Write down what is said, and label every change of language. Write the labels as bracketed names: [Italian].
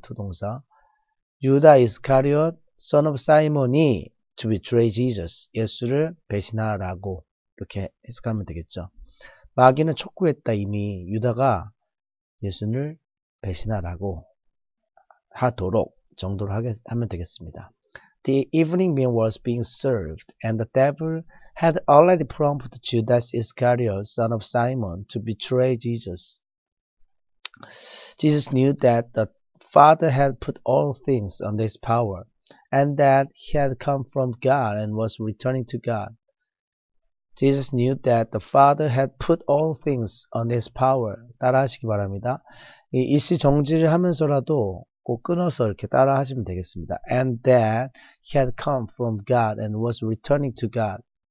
[English] 투동사. Judas Iscariot, son of Simon이 to betray Jesus. [Korean] 예수를 배신하라고. 이렇게 해석하면 되겠죠. 마귀는 촉구했다, 이미. 유다가 예수를 배신하라고 하도록, 정도로 하면 되겠습니다. [English] The evening meal was being served, and the devil had already prompted Judas Iscariot, son of Simon, to betray Jesus. Jesus knew that the Father had put all things under his power, and that he had come from God and was returning to God. Jesus knew that the Father had put all things on his power. [Korean] 따라 하시기 바랍니다. 일시 정지를 하면서라도 꼭 끊어서 이렇게 따라 하시면 되겠습니다. [English] And that he had come from God and was returning to God.